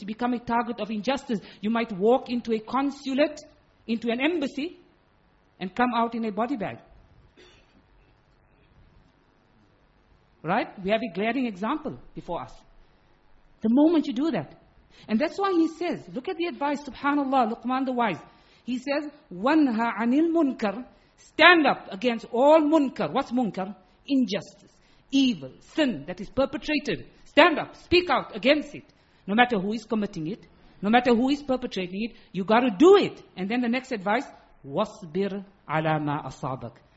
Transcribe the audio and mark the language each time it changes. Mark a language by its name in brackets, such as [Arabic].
[English] You become a target of injustice. You might walk into a consulate, into an embassy, and come out in a body bag. Right? We have a glaring example before us. The moment you do that. And that's why he says, look at the advice, subhanAllah, Luqman the wise. [Arabic] He says, وَنْهَا عَنِ الْمُنْكَرِ. [English] Stand up against all munkar. What's munkar? Injustice, evil, sin that is perpetrated. Stand up, speak out against it. No matter who is committing it, no matter who is perpetrating it, you got to do it. And then the next advice, [Arabic] وَصْبِرْ عَلَى مَا أَصَابَكَ.